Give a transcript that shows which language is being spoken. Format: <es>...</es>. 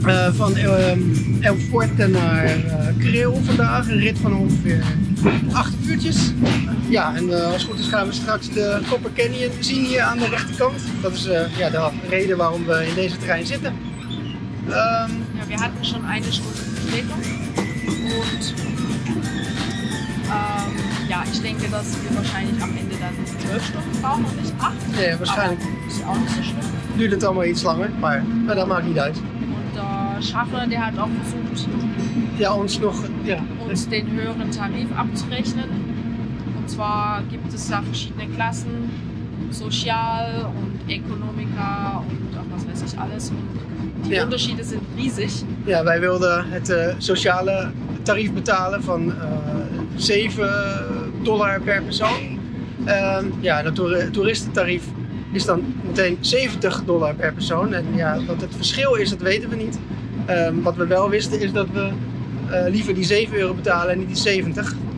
<nl>Van El Forte naar Creel vandaag. Een rit van ongeveer 8 uurtjes. Ja, en als het goed is gaan we straks de Copper Canyon zien hier aan de rechterkant. Dat is de reden waarom we in deze trein zitten.</nl> <de>We hatten schon eine Stunde Verspätung. Und ich denke, dass wir wahrscheinlich am Ende dann 12 Stunden brauchen und nicht 8. Nee, wahrscheinlich. Aber ist ja auch nicht so schlimm.</de> <nl>Duurt het allemaal iets langer, maar dat maakt niet uit.</nl> <de>Und der Schaffner, der hat auch versucht, ja, uns noch, ja, uns den höheren Tarif abzurechnen. Und zwar gibt es da verschiedene Klassen, Sozial und Economica und auch was weiß ich alles. Und die Unterschiede sind riesig.</de> <nl>Ja, wij wilden het sociale tarief betalen van $7 per persoon. Het toeristentarief is dan meteen $70 per persoon. En ja, wat het verschil is, dat weten we niet. Wat we wel wisten is dat we liever die €7 betalen en niet die 70.</nl>